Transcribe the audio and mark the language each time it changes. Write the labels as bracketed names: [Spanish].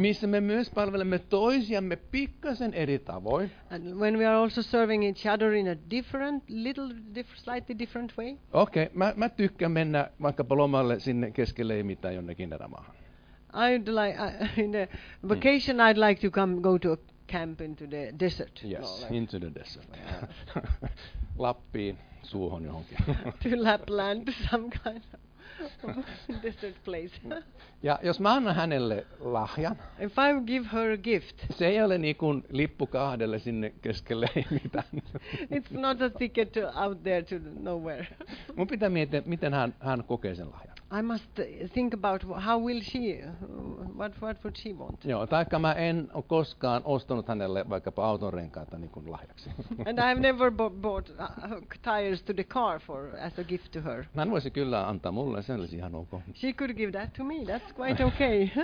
[Finnish] Missä me myös palvelemme toisiamme pikkasen eri tavoin. [English] And when we are also serving each other in a different, slightly different way. [Finnish] Okay, mä tykkään mennä vaikka lomalle sinne keskelle ei mitään jonnekin erämaahan. [English] I'd like in a vacation I'd like to come go to a camp into the desert. Yes, into the desert. [Finnish] Lappiin, suuhun johonkin. [English] To Lapland, some kind of desert place. [Finnish] Ja jos mä annan hänelle lahjan. [English] If I give her a gift. [Finnish] Se ei ole niin kuin lippu kahdelle sinne keskelle ei mitään. [English] It's not a ticket to out there to nowhere. [Finnish] Mun pitää miettiä, miten hän kokee sen lahjan. [English] I must think about how will she, what would she want. [Finnish] Joo, taikka mä en ole koskaan ostanut hänelle vaikkapa auton renkaita niin kuin lahjaksi. [English] And I've never bought tires to the car for as a gift to her. [Finnish] Hän voisi kyllä antaa mulle, se olisi ihan ok. [English] She could give that to me, that's quite okay.